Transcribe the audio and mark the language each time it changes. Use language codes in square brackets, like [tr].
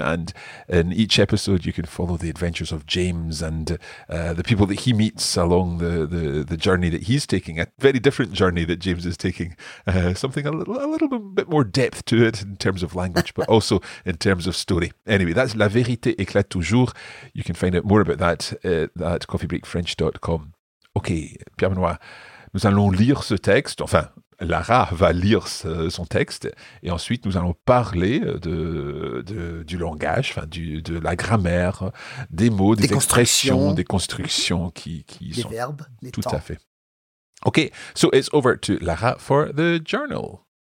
[en] And in each episode, you can follow the adventures of James and the people that he meets along the journey that he's taking, a very different journey that James is taking, something a little bit more depth to it. In terms of language, but also in terms of story. Anyway, that's La Vérité Éclate Toujours. You can find out more about that at coffeebreakfrench.com. [fr] Okay, Pierre-Benoît, nous allons lire ce texte. Enfin, Lara va lire son texte. Et ensuite, nous allons parler du langage, enfin, de la grammaire, des mots, des expressions, des constructions qui des sont... Des verbes, les temps. Tout à fait. [en] Okay, so it's over to Lara for the journal.